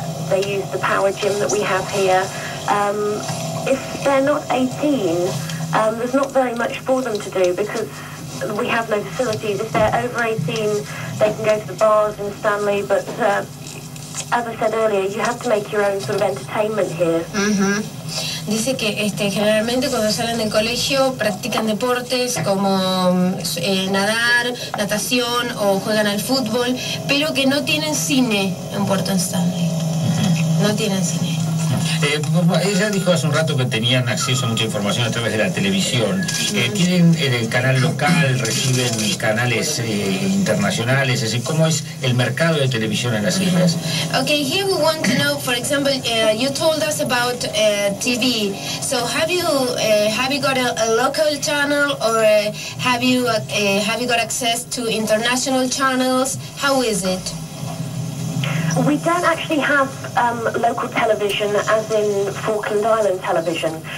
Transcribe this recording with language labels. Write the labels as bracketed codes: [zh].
[en] They use the power gym that we have here. If they're not 18, there's not very much for them to do because we have no facilities. If they're over 18, they can go to the bars in Stanley, but as I said earlier, you have to make your own sort of entertainment here. [es] Dice que generalmente cuando salen del colegio practican deportes como nadar, natación o juegan al fútbol, pero que no tienen cine en Puerto Stanley. No tienen cine. Ella dijo hace un rato que tenían acceso a mucha información a través de la televisión. ¿Tienen el canal local, reciben canales internacionales? Así, ¿cómo es el mercado de televisión en las islas? [en] Okay, here we want to know, for example, you told us about TV. So have you got a local channel, or have you got access to international channels? How is it? We don't actually have local television, as in Falkland Island television.